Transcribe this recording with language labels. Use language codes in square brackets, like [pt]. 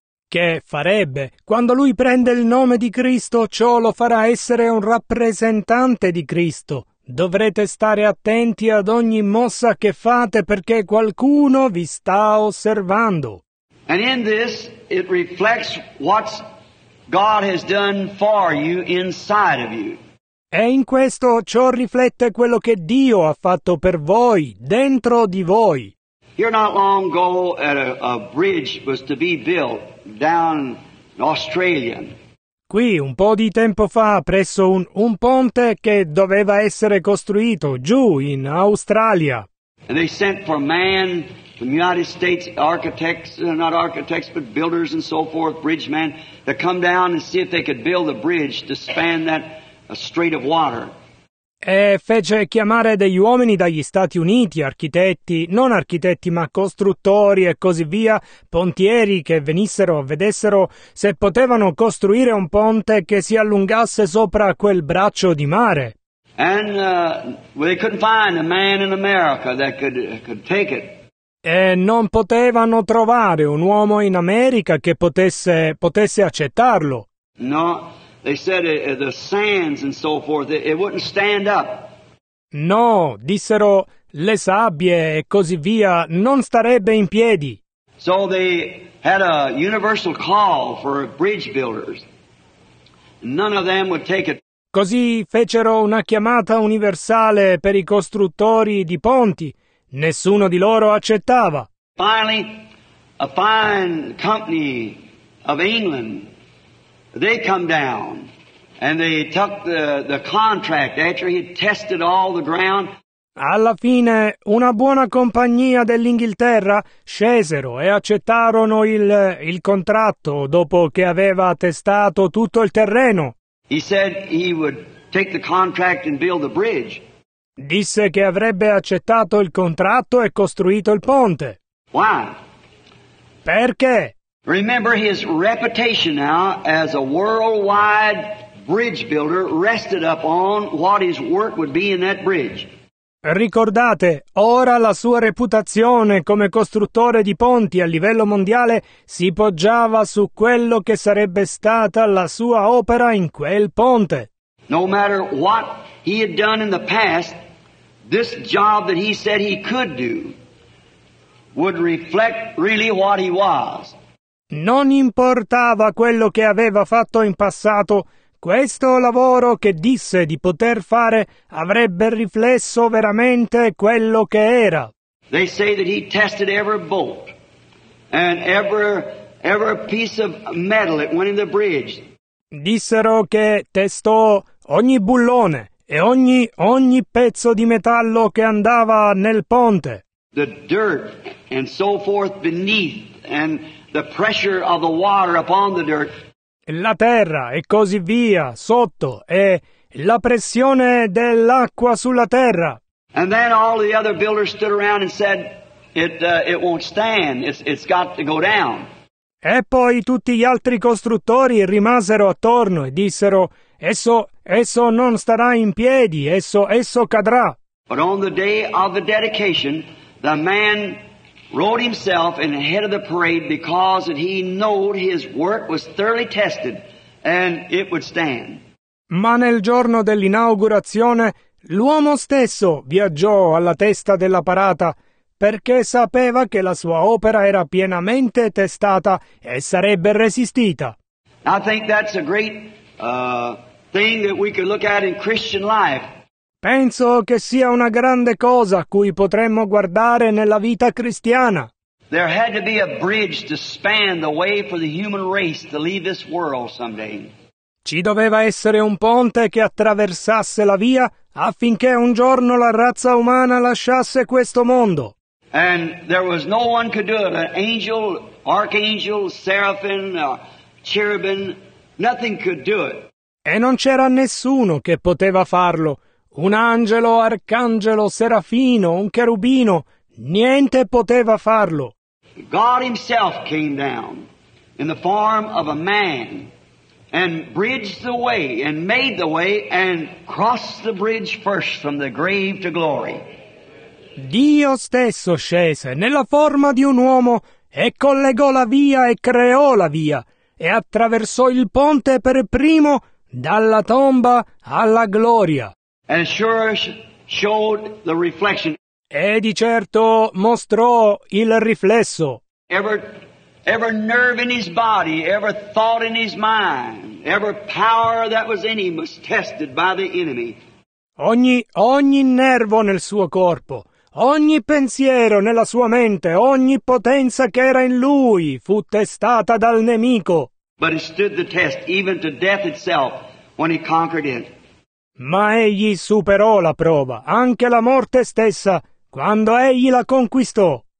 [it] Che farebbe? Quando lui prende il nome di Cristo, ciò lo farà essere un rappresentante di Cristo. Dovrete stare attenti ad ogni mossa che fate perché qualcuno vi sta osservando. [en] And in this, it reflects what God has done for you inside of you. [it] E in questo, ciò riflette quello che Dio ha fatto per voi, dentro di voi. [en] Here not long ago, a bridge was to be built down in Australia. [it] Qui, un po' di tempo fa, presso un ponte che doveva essere costruito giù in Australia. [en] And they sent for a man from the United States, architects, not architects, but builders and so forth, bridge men, to come down and see if they could build a bridge to span that strait of water. [it] E fece chiamare degli uomini dagli Stati Uniti, architetti, non architetti ma costruttori e così via, pontieri che venissero e vedessero se potevano costruire un ponte che si allungasse sopra quel braccio di mare. [en] And they couldn't find a man in America that could take it. [it] E non potevano trovare un uomo in America che potesse accettarlo. [en] No. They said the sands and so forth, it wouldn't stand up. [it] No, dissero, le sabbie e così via non starebbe in piedi. [en] So they had a universal call for bridge builders. None of them would take it. [it] Così fecero una chiamata universale per i costruttori di ponti. Nessuno di loro accettava. [en] Finally, a fine company of England, they come down and they took the contract after he tested all the ground. [it] Alla fine una buona compagnia dell'Inghilterra scesero e accettarono il contratto dopo che aveva testato tutto il terreno. [en] He said he would take the contract and build the bridge. [it] Disse che avrebbe accettato il contratto e costruito il ponte. [en] Why? [it] Perché? [en] Remember, his reputation now as a worldwide bridge builder rested up on what his work would be in that bridge. [it] Ricordate, ora la sua reputazione come costruttore di ponti a livello mondiale si poggiava su quello che sarebbe stata la sua opera in quel ponte. [en] No matter what he had done in the past, this job that he said he could do would reflect really what he was. [it] Non importava quello che aveva fatto in passato, questo lavoro che disse di poter fare avrebbe riflesso veramente quello che era. [en] They say that he tested every bolt and every piece of metal that went in the bridge. [it] Dissero che testò ogni bullone e ogni pezzo di metallo che andava nel ponte. [en] The dirt and so forth beneath, and the pressure of the water upon the dirt. [it] La terra e così via sotto, e la pressione dell'acqua sulla terra. [en] And then all the other builders stood around and said, it won't stand. It's got to go down. [it] E poi tutti gli altri costruttori rimasero attorno e dissero, esso non starà in piedi, esso cadrà. [en] But on the day of the dedication, the man rode himself in the head of the parade because he knew his work was thoroughly tested and it would stand. [it] Ma nel giorno dell'inaugurazione, l'uomo stesso viaggiò alla testa della parata, perché sapeva che la sua opera era pienamente testata e sarebbe resistita. [en] I think that's a great thing that we could look at in Christian life. [it] Penso che sia una grande cosa a cui potremmo guardare nella vita cristiana. [en] There had to be a bridge to span the way for the human race to leave this world someday. [it] Ci doveva essere un ponte che attraversasse la via affinché un giorno la razza umana lasciasse questo mondo. [en] And there was no one could do it. An angel, archangel, seraphim, cherubim, nothing could do it. [it] E non c'era nessuno che poteva farlo. Un angelo, arcangelo, serafino, un cherubino, niente poteva farlo. [en] God himself came down in the form of a man and bridged the way and made the way and crossed the bridge first from the grave to glory. [it] Dio stesso scese nella forma di un uomo e collegò la via e creò la via e attraversò il ponte per primo dalla tomba alla gloria. [en] And sure showed the reflection. [it] E di certo mostrò il riflesso. [en] Every nerve in his body, every thought in his mind, every power that was in him was tested by the enemy. [it] Ogni nervo nel suo corpo, ogni pensiero nella sua mente, ogni potenza che era in lui fu testata dal nemico. [en] But he stood the test even to death itself when he conquered it. [it] Ma egli superò la prova, anche la morte stessa, quando egli la conquistò.